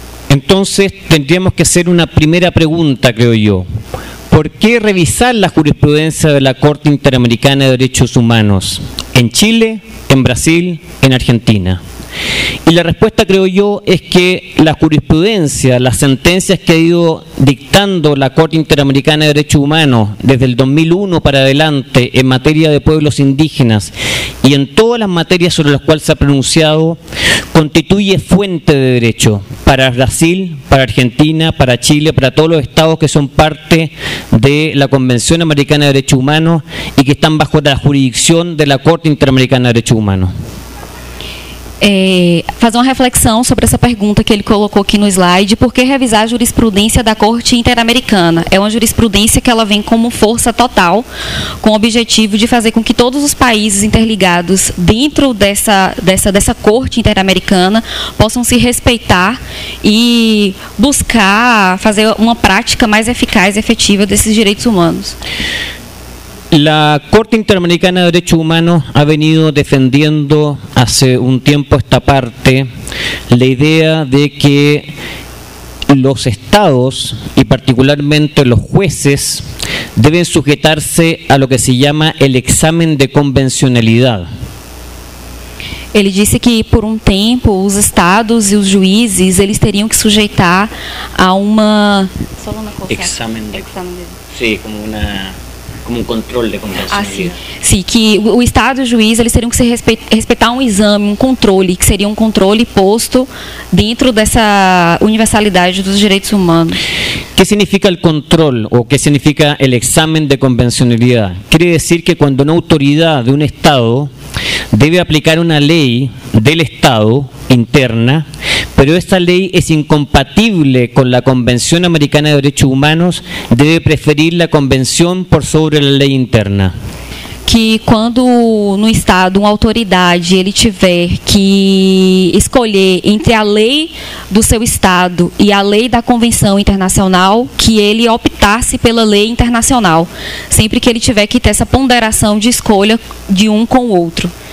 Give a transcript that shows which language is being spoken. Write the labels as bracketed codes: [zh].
[pt] Então, teríamos que fazer uma primeira pergunta, creio eu. [es] ¿Por qué revisar la jurisprudencia de la Corte Interamericana de Derechos Humanos en Chile, en Brasil, en Argentina? Y la respuesta, creo yo, es que la jurisprudencia, las sentencias que ha ido dictando la Corte Interamericana de Derechos Humanos desde el 2001 para adelante en materia de pueblos indígenas y en todas las materias sobre las cuales se ha pronunciado, constituye fuente de derecho para Brasil, para Argentina, para Chile, para todos los estados que son parte de la Convención Americana de Derechos Humanos y que están bajo la jurisdicción de la Corte Interamericana de Derechos Humanos. [pt] Fazer uma reflexão sobre essa pergunta que ele colocou aqui no slide. Por que revisar a jurisprudência da Corte Interamericana? É uma jurisprudência que ela vem como força total, com o objetivo de fazer com que todos os países interligados dentro dessa Corte Interamericana possam se respeitar e buscar fazer uma prática mais eficaz e efetiva desses direitos humanos. [es] La Corte Interamericana de Derechos Humanos ha venido defendiendo hace un tiempo esta parte la idea de que los estados y particularmente los jueces deben sujetarse a lo que se llama el examen de convencionalidad. [pt] Ele disse que por um tempo os estados e os juízes eles teriam que sujeitar a uma examen de sim, como uma como um controle de convencionalidade. Ah, sim. Sim, que o Estado e o juiz eles teriam que respeitar um exame, um controle, que seria um controle posto dentro dessa universalidade dos direitos humanos. O que significa o controle, ou o que significa o exame de convencionalidade? Quer dizer que quando uma autoridade de um Estado deve aplicar uma lei do Estado interna, [es] pero esta ley es incompatible con la Convención Americana de Derechos Humanos, debe preferir la Convención por sobre la ley interna. Que cuando en un Estado una autoridad [pt] ele tiver que escolher [es] entre la ley de su Estado y la ley de la Convención Internacional, que él [pt] optasse pela [es] ley internacional, siempre que él tiver que tener esa ponderación de escolha de un con el otro.